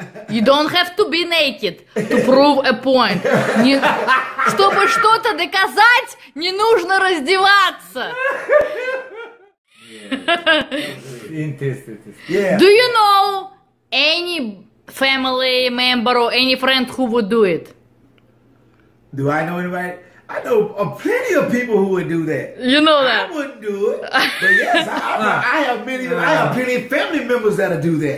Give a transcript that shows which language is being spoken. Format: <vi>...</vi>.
<en>You don't have to be naked to prove a point.</en> <ru>Чтобы что-то доказать, не нужно раздеваться.</ru> <en>Interesting. Do you know any family member or any friend who would do it? Do I know anybody? I know plenty of people who would do that. You know that. I wouldn't do it. But yes, I have plenty of family members that'll do that.</en>